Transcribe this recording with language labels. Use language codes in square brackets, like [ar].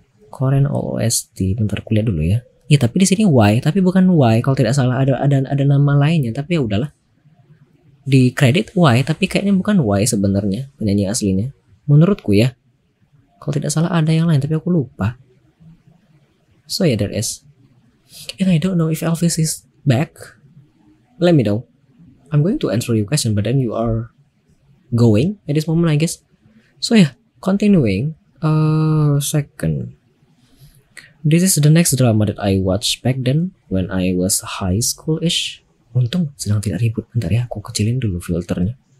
[id] Korean OST. Bentar kuliah dulu ya. Ya tapi di sini Y, tapi bukan Y. Kalau tidak salah ada nama lainnya. Tapi ya udahlah. Di kredit Y, tapi kayaknya bukan Y sebenarnya penyanyi aslinya. Menurutku ya. Kalau tidak salah ada yang lain, tapi aku lupa. [en] So yeah, there is. And I don't know if Elvis is back. Let me know. I'm going to answer your question, but then you are going at this moment, I guess. So yeah, continuing. Second. This is the next drama that I watched back then when I was high school-ish. [id] Untung sedang tidak ribut. Bentar ya, aku kecilin dulu filternya.